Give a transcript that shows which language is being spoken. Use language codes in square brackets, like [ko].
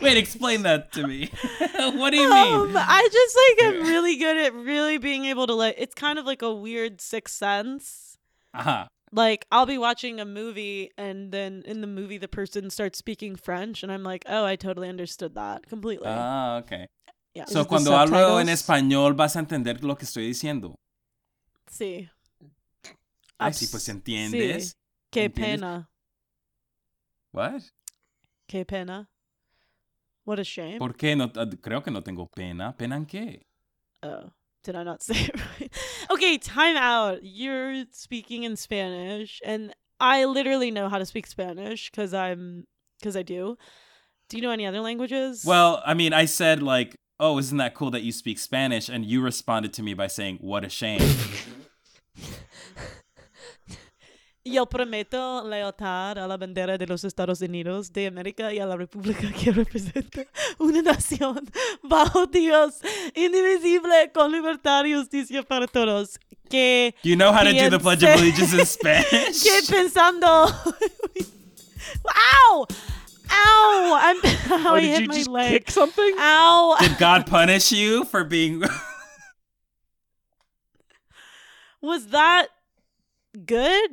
[en] Wait, explain that to me. What do you mean? I just like I'm really good at really being able to like it's kind of like a weird sixth sense. Uh-huh. Like I'll be watching a movie and then in the movie the person starts speaking French and I'm like, "Oh, I totally understood that completely." Okay. Yeah. [es] So cuando hablo en español vas a entender lo que estoy diciendo. Sí. Ay, sí, pues entiendes. Sí. Qué pena. [en] What? [es] Qué pena. [en] What a shame. [es] ¿Por qué? No, creo que no tengo pena. ¿Pena en qué? [en] Oh, did I not say it right? Okay, time out. You're speaking in Spanish, and I literally know how to speak Spanish because I do. Do you know any other languages? Well, I mean, I said like, oh, isn't that cool that you speak Spanish? And you responded to me by saying, what a shame. [es] Yo prometo lealtad a la bandera de los Estados Unidos de América y a la República que representa una nación bajo Dios, indivisible, con libertad y justicia para todos. Que [en] you know how to do the Pledge of Allegiance in Spanish? Que pensando. Ow! Ow! I'm, ow what, I did hit you my just leg. Kick something? Ow! Did God punish you for being... Was that... good?